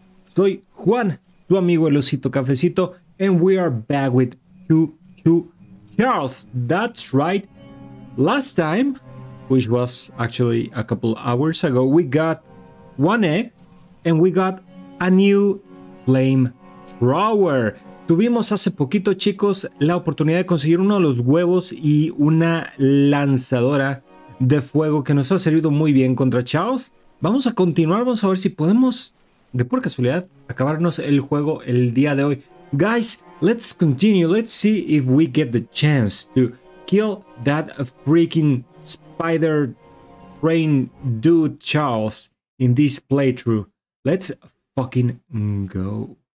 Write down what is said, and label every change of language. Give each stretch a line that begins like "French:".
Spanish: Soy Juan, tu amigo el osito cafecito,
English: and we are back with Choo-Choo Charles. That's right, last time, which was actually a couple hours ago, we got one egg, and we got a new flame thrower.
Spanish: Tuvimos hace poquito, chicos, la oportunidad de conseguir uno de los huevos y una lanzadora de fuego que nos ha servido muy bien contra Charles. Vamos a continuar, vamos a ver si podemos, de pura casualidad, acabarnos el juego el día de hoy.
English: Guys, let's continue, let's see if we get the chance to kill that freaking spider train dude Charles in this playthrough. Let's fucking go.